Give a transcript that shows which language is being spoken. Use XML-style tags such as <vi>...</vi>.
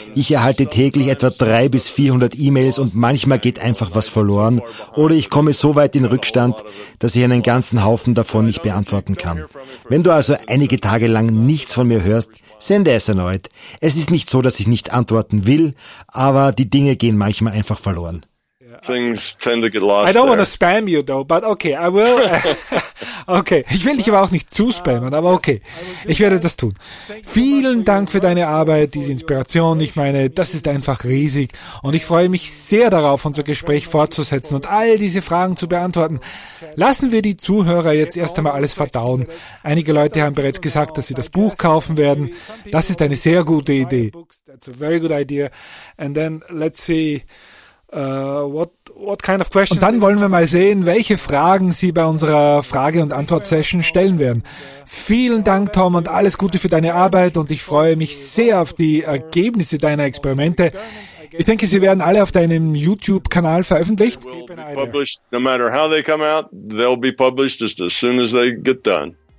<de>Ich erhalte täglich etwa 300 bis 400 E-Mails und manchmal geht einfach was verloren oder ich komme so weit in Rückstand, dass ich einen ganzen Haufen davon nicht beantworten kann. Wenn du also einige Tage lang nichts von mir hörst, sende es erneut. Es ist nicht so, dass ich nicht antworten will, aber die Dinge gehen manchmal einfach verloren.</de> <en>Yeah, things tend to get lost. I don't want to spam you though, but okay, I will. Okay,</en> <de>ich will dich aber auch nicht zu spammen, aber okay, ich werde das tun. Vielen Dank für deine Arbeit, diese Inspiration. Ich meine, das ist einfach riesig und ich freue mich sehr darauf, unser Gespräch fortzusetzen und all diese Fragen zu beantworten. Lassen wir die Zuhörer jetzt erst einmal alles verdauen. Einige Leute haben bereits gesagt, dass sie das Buch kaufen werden. Das ist eine sehr gute Idee.</de> <en>That's a very good idea. And then let's see what kind of questions.</en> <de>Und dann wollen wir mal sehen, welche Fragen Sie bei unserer Frage- und Antwort-Session stellen werden. Vielen Dank, Tom, und alles Gute für deine Arbeit. Und ich freue mich sehr auf die Ergebnisse deiner Experimente. Ich denke, sie werden alle auf deinem YouTube-Kanal veröffentlicht.</de> <en>No matter how they come out, they'll be published just as soon as they get done.</en>